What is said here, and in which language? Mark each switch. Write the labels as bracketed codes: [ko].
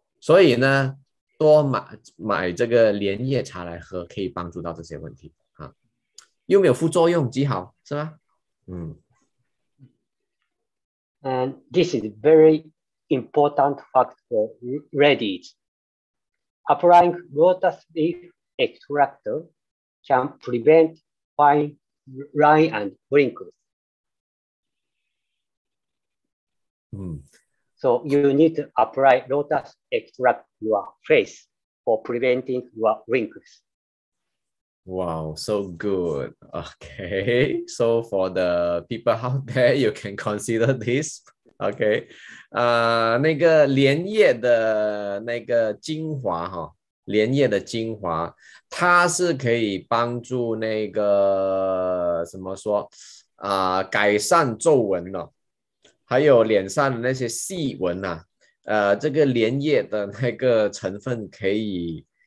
[zh] 所以呢，多买这个莲叶茶来喝，可以帮助到这些问题。又没有副作用，极好，是吧？ [en] And this is very important fact for readies. Applying lotus leaf extract can prevent fine lines and wrinkles. So you need to apply lotus extract your face for preventing your wrinkles. Wow, so good. Okay, so for the people out there, you can consider this. [zh] OK， 那个莲叶的那个精华哈，莲叶的精华，它是可以帮助那个怎么说啊、改善皱纹哦，还有脸上的那些细纹啊，这个莲叶的那个成分可以